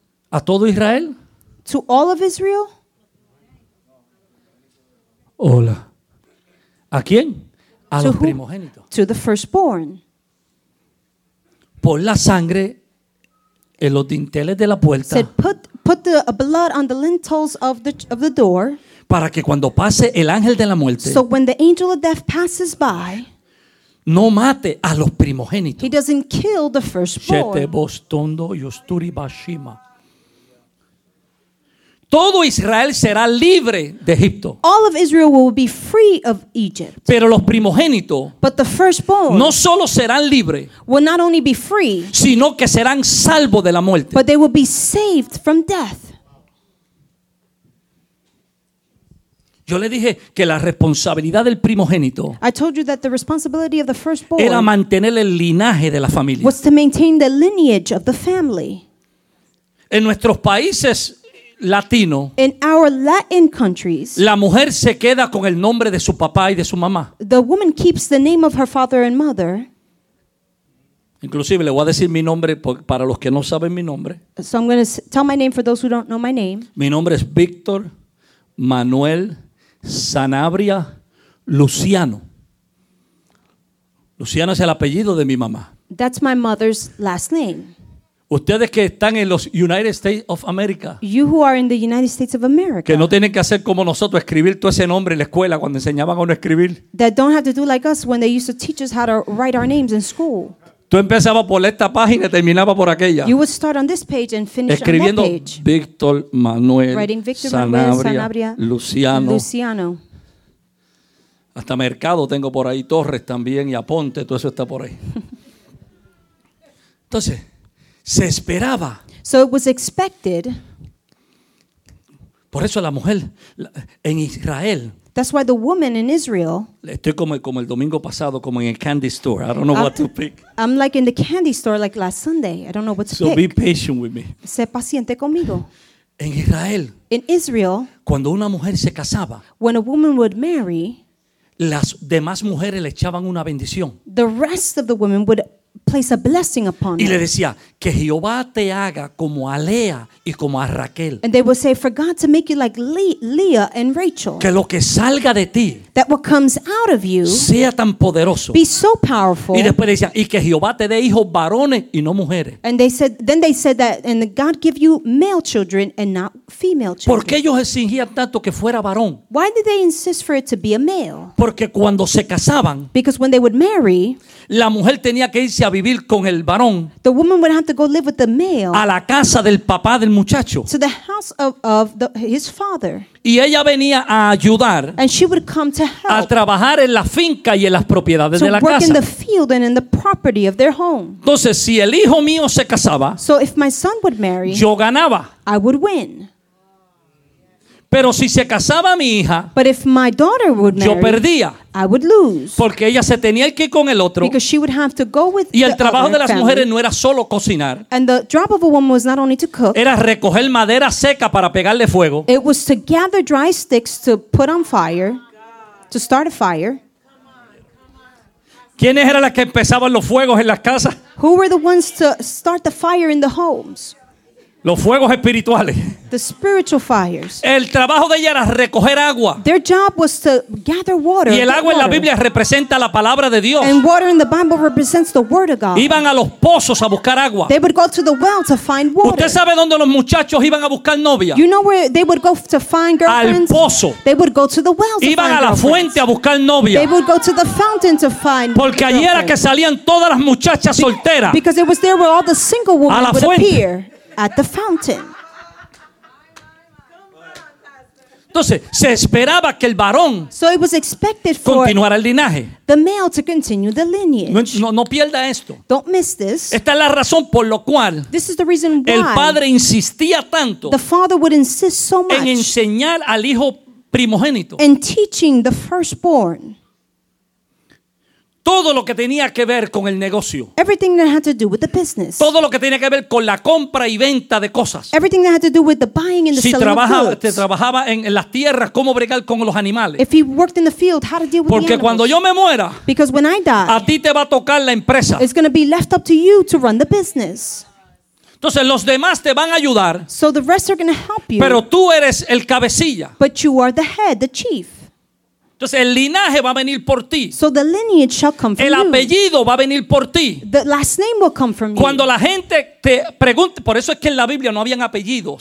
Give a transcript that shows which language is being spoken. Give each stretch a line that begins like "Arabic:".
Spanish: ¿A todo Israel?
English: To all of Israel?
Spanish: Hola. ¿A quién? A los primogénitos.
English: To the firstborn.
Spanish: Por la sangre en los dinteles de la puerta.
English: Said put the blood on the lintels of the door.
Spanish: Para que cuando pase el ángel de la muerte.
English: So when the angel of death passes by.
Spanish: No mate a los primogénitos.
English: He doesn't kill the firstborn. Shete bostondo yosturi bashima.
Spanish: Todo Israel será libre de Egipto.
English: All of Israel will be free of Egypt.
Spanish: Pero los primogénitos.
English: But the firstborn.
Spanish: No solo serán libres.
English: Will not only be free.
Spanish: Sino que serán salvos de la muerte.
English: But they will be saved from death.
Spanish: Yo le dije que la responsabilidad del primogénito.
English: I told you that the responsibility of the firstborn.
Spanish: Era mantener el linaje de la familia.
English: Was to maintain the lineage of the family.
Spanish: En nuestros países. Latino.
English: In our Latin countries,
Spanish: la mujer se queda con el nombre de su papá y de su mamá.
English: The woman keeps the name of her father and mother.
Spanish: Inclusive le voy a decir mi nombre para los que no saben mi nombre.
English: So I'm going to tell my name for those who don't know my name.
Spanish: Mi nombre es Víctor Manuel Sanabria Luciano. Luciano es el apellido de mi mamá.
English: That's my mother's last name.
Spanish: Ustedes que están en los United States of America.
English: You who are in the United States of America.
Spanish: Que no tienen que hacer como nosotros, escribir todo ese nombre en la escuela cuando enseñaban a uno a escribir.
English: That don't have to do like us when they used to teach us how to write our names in school.
Spanish: Tú empezabas por esta página y terminabas por aquella.
English: You would start on this page and finish
Spanish: escribiendo
English: on that page.
Spanish: Víctor Manuel Sanabria Luciano. Hasta Mercado tengo por ahí, Torres también y Aponte, todo eso está por ahí. Entonces, se esperaba.
English: So it was expected.
Spanish: Por eso la mujer en Israel.
English: That's why the woman in Israel.
Spanish: Estoy como el domingo pasado, como en el
English: candy store. I don't know what to pick. I'm like in the candy store like last Sunday. I don't know what to pick. So be patient with me.
Spanish: Sé paciente conmigo. En Israel.
English: In Israel.
Spanish: Cuando una mujer se casaba.
English: When a woman would marry.
Spanish: Las demás mujeres le echaban una bendición.
English: The rest of the women would place a blessing upon
Spanish: y
English: it.
Spanish: Y le decía, que Jehová te haga como a Lea y como a Raquel.
English: And they will say, for God to make you like Leah and Rachel.
Spanish: Que lo que salga de ti,
English: that what comes out of you,
Spanish: sea tan poderoso,
English: be so powerful.
Spanish: Y después decía, y que Jehová te dé hijos varones y no mujeres.
English: And they said that, and God give you male children and not female children.
Spanish: ¿Por qué ellos exigían tanto que fuera varón?
English: Why did they insist for it to be a male?
Spanish: Porque cuando se casaban,
English: because when they would marry,
Spanish: la mujer tenía que irse a vivir con el varón,
English: the woman would have to go live with the male,
Spanish: a la casa del papá del muchacho,
English: to the house of the, his father.
Spanish: Y ella venía a ayudar,
English: and she would come to help,
Spanish: a trabajar en la finca y en las propiedades
English: to
Spanish: de la
English: work
Spanish: casa,
English: in the field and in the property of their home.
Spanish: Entonces, si el hijo mío se casaba,
English: so if my son would marry,
Spanish: yo ganaba,
English: I would win.
Spanish: Pero si se casaba mi hija,
English: but if my daughter would marry,
Spanish: yo perdía,
English: I would lose.
Spanish: Porque ella se tenía que ir con el otro,
English: because she would have to go with,
Spanish: y el trabajo
English: other
Spanish: de las
English: family,
Spanish: mujeres no era solo cocinar,
English: and the job of a woman was not only to cook,
Spanish: era recoger madera seca para pegarle fuego,
English: it was to gather dry sticks to put on fire, to start a fire.
Spanish: ¿Quiénes eran las que empezaban los fuegos en las casas?
English: Who were the ones to start the fire in the homes?
Spanish: Los fuegos espirituales.
English: The spiritual fires.
Spanish: El trabajo de ella era recoger agua.
English: Their job was to gather water.
Spanish: Y el agua
English: water
Spanish: en la Biblia representa la palabra de Dios.
English: And water in the Bible represents the word of God.
Spanish: Iban a los pozos a buscar agua.
English: They would go to the well to find water.
Spanish: ¿Usted sabe dónde los muchachos iban a buscar novia?
English: You know where they would go to find girlfriends?
Spanish: Al pozo.
English: They would go to the well to
Spanish: iban
English: find
Spanish: iban a la fuente a buscar novia.
English: They would go to the fountain to find.
Spanish: Porque allí era que salían todas las muchachas solteras.
English: Because it was there where all the single women
Spanish: a la
English: would
Spanish: fuente
English: appear. At the fountain.
Spanish: Entonces, se esperaba que el varón,
English: so it was expected for
Spanish: continuara el linaje,
English: the male to continue the lineage.
Spanish: No pierda esto.
English: Don't miss this.
Spanish: Esta es la razón por lo cual,
English: this is the reason why,
Spanish: el padre insistía tanto,
English: the father would insist so much,
Spanish: en enseñar al hijo primogénito,
English: in teaching the firstborn,
Spanish: todo lo que tenía que ver con el negocio,
English: everything that had to do with the business,
Spanish: todo lo que tenía que ver con la compra y venta de cosas,
English: everything that had to do with the buying and the
Spanish: si
English: selling
Spanish: trabajaba,
English: of goods,
Spanish: si trabajaba en las tierras, cómo bregar con los animales,
English: if he worked in the field, how to deal with
Spanish: porque
English: the animals,
Spanish: cuando yo me muera,
English: because when I die,
Spanish: a ti te va a tocar la empresa,
English: it's going to be left up to you to run the business.
Spanish: Entonces los demás te van a ayudar,
English: so the rest are going to help you,
Spanish: pero tú eres el cabecilla,
English: but you are the head, the chief.
Spanish: Entonces el linaje va a venir por ti.
English: So the lineage shall come from
Spanish: el apellido
English: you
Spanish: va a venir por ti.
English: The last name will come from
Spanish: cuando
English: you
Spanish: la gente te pregunte, por eso es que en la Biblia no habían apellidos.